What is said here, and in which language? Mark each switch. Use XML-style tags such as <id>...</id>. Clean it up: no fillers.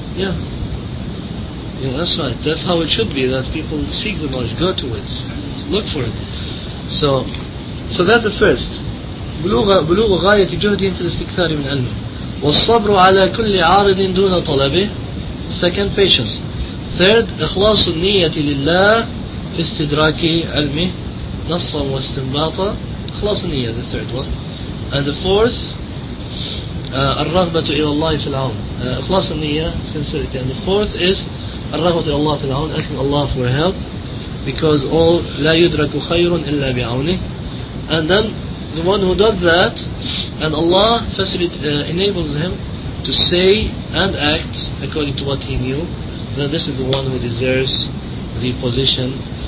<en>Yeah, that's right. That's how it should be, that people seek the knowledge, go to it, look for it. So that's the first.</en> <ar>بلوغ غاية جهدهم في الاستكثار من علمه والصبر على كل عارض دون طلبه.</ar> <en>Second, patience. Third,</en> <ar>إخلاص النية لله في استدراك علمه نصا واستنباطا. إخلاص النية,</ar> <en>the third one. And the fourth,</en> <ar>الرغبة إلى الله في العون. إخلاص النية,</ar> <en>sincerity. And the fourth is</en> <ar>الرغبة إلى الله في العون,</ar> <en>asking Allah for help, because all</en> <ar>لا يدرك خير إلا بعونه.</ar> <en>And then the one who does that, and Allah enables him to say and act according to what he knew, then this is the one who deserves the position.</en>